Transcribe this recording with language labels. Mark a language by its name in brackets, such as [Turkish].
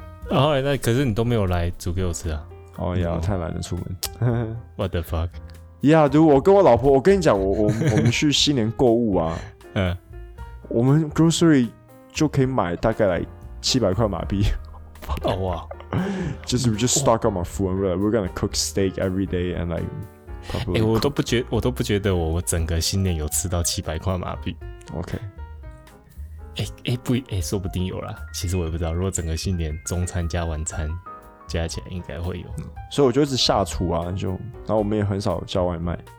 [Chinese] 哦，那可是你都没有来煮给我吃啊？哦呀，太懒了，出门。 [English] What the fuck？ [Chinese] 呀，如果我跟我老婆，我跟你讲，我们去新年购物啊，嗯，我们 grocery 就可以买大概来700块马币。哦哇。 [English] We just stock up my food and we're gonna cook steak every day and like probably、 [Chinese] 欸、我都不觉得我整个新年有吃到700块马币。 OK，说不定有啦，其实我也不知道，如果整个新年中餐加晚餐加起来应该会有、所以我就一直下厨啊，就然后我们也很少叫外卖、